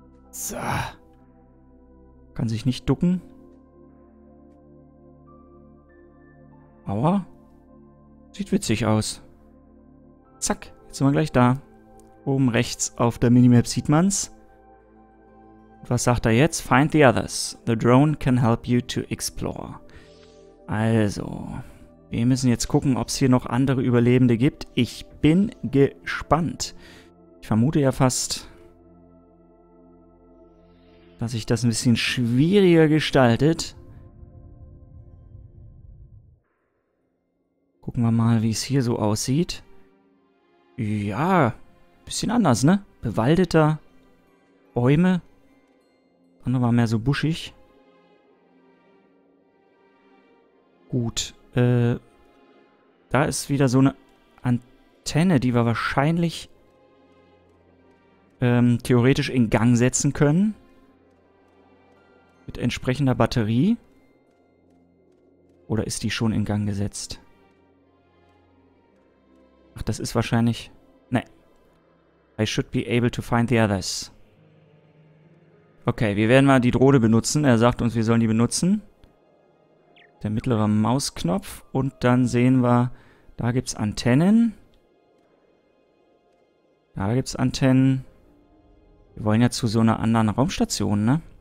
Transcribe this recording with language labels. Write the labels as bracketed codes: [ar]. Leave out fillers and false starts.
[de] So. Kann sich nicht ducken. Aua. Sieht witzig aus. Zack. Jetzt sind wir gleich da. Oben rechts auf der Minimap sieht man's. Und was sagt er jetzt? [en] Find the others. The drone can help you to explore. [de] Also, wir müssen jetzt gucken, ob es hier noch andere Überlebende gibt. Ich bin gespannt. Ich vermute ja fast, dass sich das ein bisschen schwieriger gestaltet. Gucken wir mal, wie es hier so aussieht. Ja, bisschen anders, ne? Bewaldeter, Bäume. Andere war mehr so buschig. Gut, da ist wieder so eine Antenne, die wir wahrscheinlich theoretisch in Gang setzen können. Mit entsprechender Batterie. Oder ist die schon in Gang gesetzt? Ach, das ist wahrscheinlich. Ne. [en] I should be able to find the others. [de] Okay, wir werden mal die Drohne benutzen. Er sagt uns, wir sollen die benutzen. Der mittlere Mausknopf. Und dann sehen wir, da gibt es Antennen. Da gibt es Antennen. Wir wollen ja zu so einer anderen Raumstation, ne?